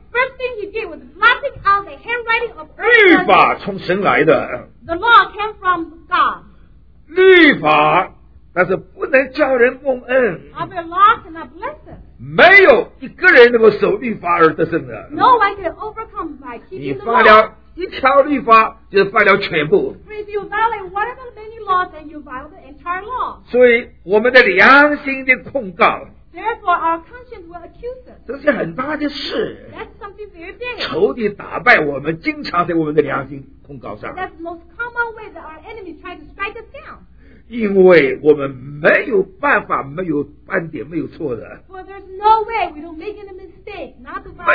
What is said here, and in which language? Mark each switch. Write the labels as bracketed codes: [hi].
[en] First thing he did was blotting out the handwriting of earth. [zh] 律法从神来的。 [en] The law came from God. [zh] 律法，但是不能叫人蒙恩。 [en] Our law cannot bless us. [zh] 没有一个人能够守律法而得胜的。 [en] No one can overcome by keeping the law. [zh] 你犯了一条律法，就犯了全部。 [en] If you violate one of the many laws, then you violate the entire law. [zh] 所以我们的良心的控告。 [en] Therefore, our conscience will accuse us. [zh] 这是很大的事。 [en] That's something very big. [zh] 仇敌打败我们，经常在我们的良心控告上。 [en] That's the most common way that our enemy tries to strike us down. [zh] 因为我们没有办法，没有半点，没有错的。 [en] For there's no way we don't make any mistake, not to violate the law.